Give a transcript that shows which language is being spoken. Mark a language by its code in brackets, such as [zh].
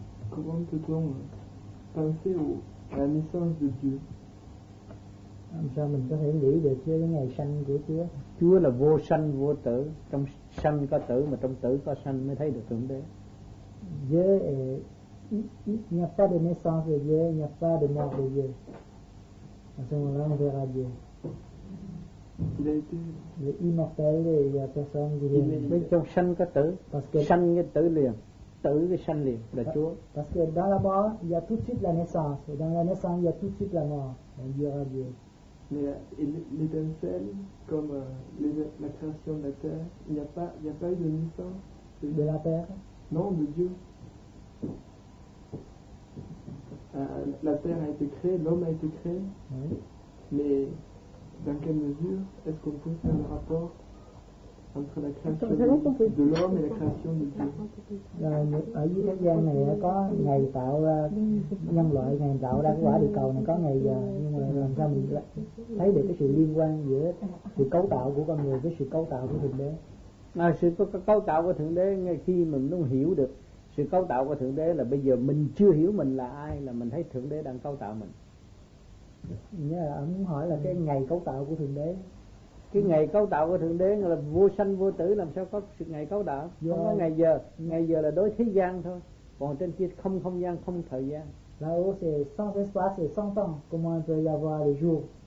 [fr] Comment peut-on penser à la naissance de Dieu? [vi] Làm sao mình có thể hiểu được chưa cái ngày sanh của Chúa? Chúa là vô sanh vô tử, trong sanh có tử mà trong tử có sanh mới thấy được Thượng Đế. [fr] Dieu est, il n'y a pas de naissance de Dieu, il n'y a pas de mort de Dieu. À ce moment-là, on verra Dieu. Il a été. Il est immortel et il n'y a personne qui vient. Mais [vi] trong sanh có tử, [fr] parce que [vi] sanh cái tử liền, tử cái sanh liền là Chúa. [fr] Parce que dans la mort, il y a tout de suite la naissance, et dans la naissance, il y a tout de suite la mort. On verra Dieu. Mais l'étincelle, comme la création de la terre, il n'y a pas eu de naissance de la terre. Non, de Dieu. La terre a été créée, l'homme a été créé. Oui. Mais dans quelle mesure est-ce qu'on peut faire le rapport entre la création de l'homme et la création de Dieu? [vi] Ở dưới thế gian này có ngày tạo ra nhân loại, ngày tạo ra quả địa cầu này, có ngày giờ, nhưng mà làm sao mình thấy được cái sự liên quan giữa sự cấu tạo của con người với sự cấu tạo của Thượng Đế? À, sự cấu tạo của Thượng Đế, ngay khi mình không hiểu được sự cấu tạo của Thượng Đế là bây giờ mình chưa hiểu mình là ai, là mình thấy Thượng Đế đang cấu tạo mình. Nghĩa là ông muốn hỏi là cái ngày cấu tạo của Thượng Đế. Cái ngày cấu tạo của Thượng Đế là vô sanh vô tử, làm sao có sự ngày cấu tạo? Do không có ngày giờ. Ngày giờ là đối thế gian thôi, còn trên kia không không gian, không thời gian. [fr] Là où c'est sans espace et sans temps, comment peut y avoir le jour?